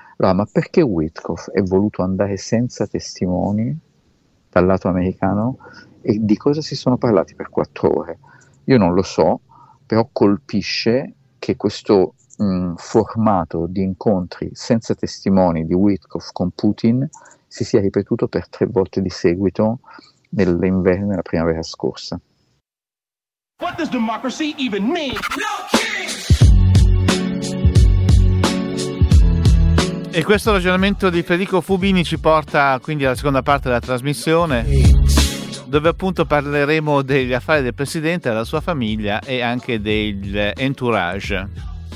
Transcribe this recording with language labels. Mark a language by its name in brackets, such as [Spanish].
[Italian] Allora, ma perché Witkoff è voluto andare senza testimoni dal lato americano e di cosa si sono parlati per 4 ore? Io non lo so, però colpisce che questo formato di incontri senza testimoni di Witkoff con Putin si sia ripetuto per 3 volte di seguito nell'inverno e la primavera scorsa. [English] What does democracy even mean? [Italian] E questo ragionamento di Federico Fubini ci porta quindi alla seconda parte della trasmissione, dove appunto parleremo degli affari del presidente, della sua famiglia e anche dell'entourage.